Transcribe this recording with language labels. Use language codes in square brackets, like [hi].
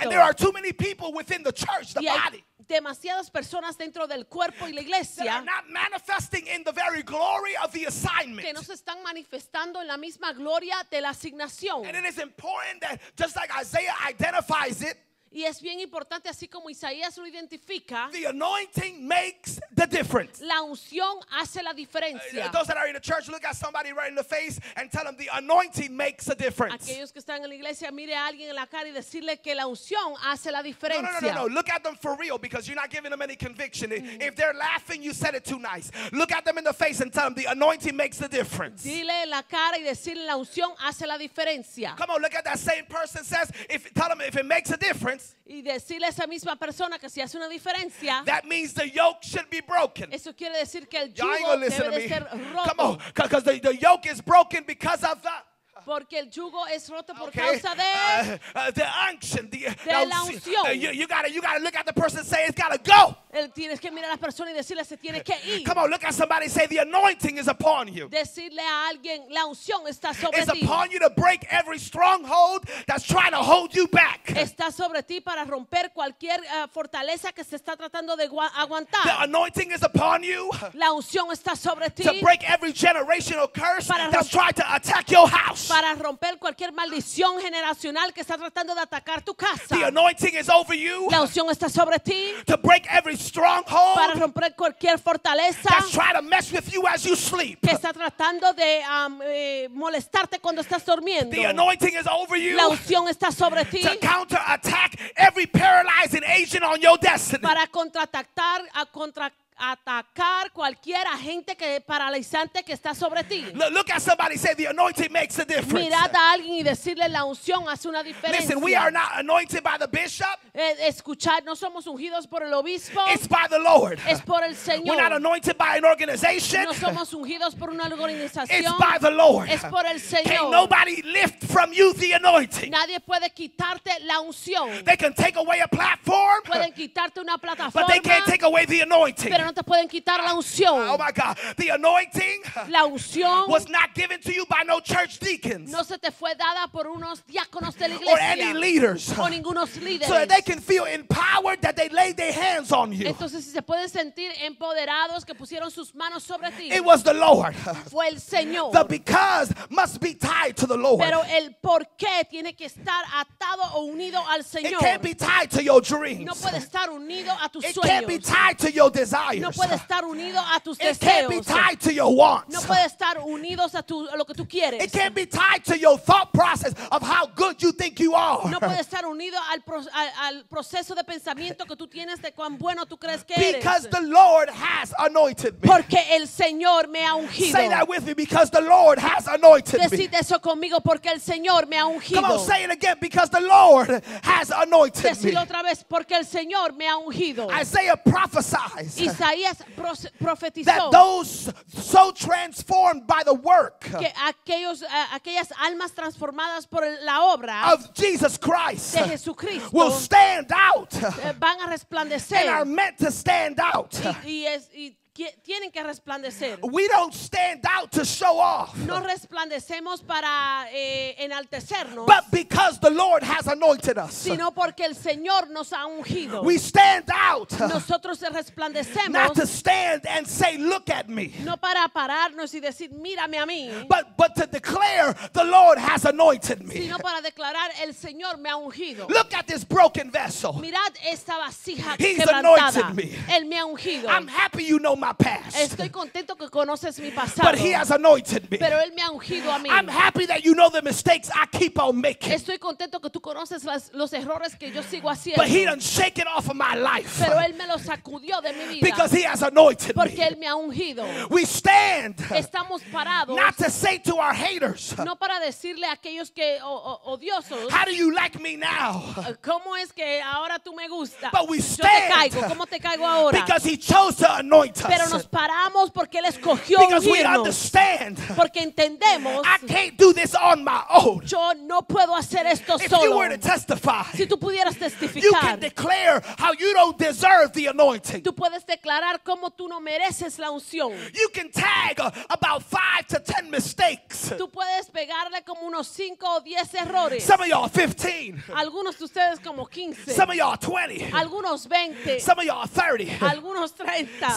[en] And there are too many people within the church, the body. [es] Demasiadas personas dentro del cuerpo y la iglesia que no se están manifestando en la misma gloria de la asignación. [en] And it is important that just like Isaiah identifies it. [es] Y es bien importante, así como Isaías lo identifica. [en] The anointing makes the difference. [es] La unción hace la diferencia. [en] Those that are in the church, look at somebody right in the face and tell them the anointing makes a difference. [es] Aquellos que están en la iglesia, mire a alguien en la cara y decirle que la unción hace la diferencia. [en] No, look at them for real, because you're not giving them any conviction. If they're laughing, you said it too nice. Look at them in the face and tell them the anointing makes the difference. [es] Dile en la cara y decirle la unción hace la diferencia. [en] Come on, look at that same person, says if tell them if it makes a difference. [es] Y decirle a esa misma persona que si hace una diferencia, [en] that means the yoke should be broken. [es] Eso quiere decir que el yugo debe de ser roto. [en] Come on, because the yoke is broken because of the. [es] Porque el yugo es roto por causa de. [en] The unction, [es] de la unción. [en] You gotta look at the person and say it's gotta go. [es] El tienes que mirar a la persona y decirle se tiene que ir. [en] Come on, look at somebody and say the anointing is upon you. [es] Decirle a alguien la unción está sobre [en] it's [es] ti. [en] It's upon you to break every stronghold that's trying to hold you back. [es] Está sobre ti para romper cualquier fortaleza que se está tratando de aguantar. [en] The anointing is upon you. [es] La unción está sobre ti. [en] To break every generational curse that's trying to attack your house. [es] Para romper cualquier maldición generacional que está tratando de atacar tu casa. [en] The anointing is over you. [es] La unción está sobre ti. [en] To break every stronghold. [es] Para romper cualquier fortaleza. [en] That's trying to mess with you as you sleep. [es] Que está tratando de molestarte cuando estás durmiendo. [en] The anointing is over you. [es] La unción está sobre ti. [en] To counter attack every paralyzing agent on your destiny. [es] Para contraatacar a atacar cualquier agente que paralizante que está sobre ti. [en] Look at somebody and say the anointing makes a difference. [es] Mirad a alguien y decirle la unción hace una diferencia. [en] Listen, we are not anointed by the bishop. [es] Escuchad, no somos ungidos por el obispo. [en] It's by the Lord. [es] Es por el Señor. [en] We're not anointed by an organization. [es] No somos ungidos por una organización. [en] It's by the Lord. [es] Es por el Señor. [en] Can nobody lift from you the anointing? [es] Nadie puede quitarte la unción. [en] They can take away a platform. [es] Pueden quitarte una plataforma. [en] But they can't take away the anointing. [es] Pero no te pueden quitar la unción. [en] Oh my God, the anointing, [es] la unción, [en] was not given to you by no church deacons. [es] No se te fue dada por unos diáconos de la iglesia. [en] Or any leaders. [es] O ningunos líderes. [en] So that they can feel empowered that they laid their hands on you. [es] Entonces si se pueden sentir empoderados que pusieron sus manos sobre ti. [en] It was the Lord. [es] Fue el Señor. [en] The because must be tied to the Lord. [es] Pero el por qué tiene que estar atado o unido al Señor. [en] It can't be tied to your dreams. [es] No puede estar unido a tus [en] it [es] sueños. [en] It can't be tied to your desires. [es] No puede estar unido a tus [en] it [es] deseos. [en] Can't be tied to your wants. [es] No puede estar unidos a, tu, a lo que tú quieres. [en] It can't be tied to your thought process of how good you think you are. [es] No puede estar unido al, al proceso de pensamiento que tú tienes de cuán bueno tú crees que eres. [en] Because the Lord has anointed me. [es] Porque el Señor me ha ungido. [en] Say that with me, because the Lord has anointed me. [es] Decid eso conmigo, porque el Señor me ha ungido. [en] Come on, say it again, because the Lord has anointed me. [es] Decid otra vez, porque el Señor me ha ungido. [en] Isaiah prophesies. [es] Isaías profetizó [en] that those so transformed by the work [es] que aquellos, aquellas almas transformadas por la obra [en] of Jesus Christ [es] de Jesucristo [en] will stand out [es] van a resplandecer [en] and are meant to stand out [es] tienen que resplandecer. [en] We don't stand out to show off. [es] No resplandecemos para enaltecernos. [en] But because the Lord has anointed us. [es] Sino porque el Señor nos ha ungido. [en] We stand out. [es] Nosotros resplandecemos. [en] Not to stand and say, look at me. [es] No para pararnos y decir, mírame a mí. [en] But to declare, the Lord has anointed me. [es] Sino para declarar, el Señor me ha ungido. [en] Look at this broken vessel. [es] Mirad esta vasija [en] He's [es] quebrantada. [en] Anointed me. [es] Él me ha ungido. [en] I'm happy you know my past. [es] Estoy contento que conoces mi pasado. [en] But he has anointed me. [es] Pero él me ha ungido a mí. [en] I'm happy that you know the mistakes I keep on making. [es] Estoy contento que tú conoces las, los errores que yo sigo haciendo. [en] But he done shake it off of my life. [es] Pero él me lo sacudió de mi vida. [en] Because he has anointed [es] Porque [en] me. [es] Él me ha ungido. [en] We stand. [es] Estamos parados. [en] Not to say to our haters. [es] No para decirle a aquellos que odiosos. [en] How do you like me now? [es] ¿Cómo es que ahora tú me gustas? [en] But we stand. [es] Yo te caigo. ¿Cómo te caigo ahora? [en] Because he chose to anoint us. [es] Pero nos paramos porque él escogió ungirnos. Porque entendemos. [en] I can't do this on my own. [es] Yo no puedo hacer esto [en] If [es] solo. [en] You were to testify, [es] si tú pudieras testificar. [en] You can declare how you don't deserve the anointing. [es] Tú puedes declarar cómo tú no mereces la unción. [en] You can tag about 5 to 10 mistakes. [es] Tú puedes pegarle como unos 5 o 10 errores. [en] Some of y'all 15. [es] Algunos de ustedes como 15. [en] Some of y'all 20. [es] Algunos 20. [en] Some of y'all 30. [es] Algunos 30.